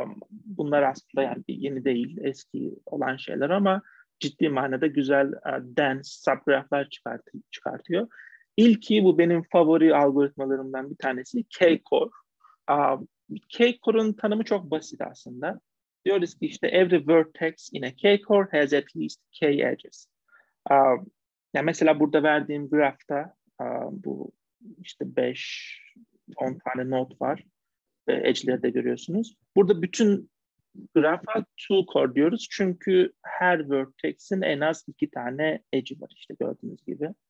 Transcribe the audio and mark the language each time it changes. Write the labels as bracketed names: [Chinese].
[Turkish] Bunlar aslında yani yeni değil, eski olan şeyler ama ciddi manada güzel dense subgraph'lar çıkartıyor. İlki bu benim favori algoritmalarımdan bir tanesi K-Core. K-Core'un tanımı çok basit aslında. Diyoruz ki işte [English] every vertex in a K-Core has at least K edges. [Turkish] Yani mesela burada verdiğim graph'ta bu işte 5-10 tane node var. Edge'leri de görüyorsunuz. Burada bütün graph'a two core diyoruz. Çünkü her vertex'in en az 2 tane edge'i var işte gördüğünüz gibi.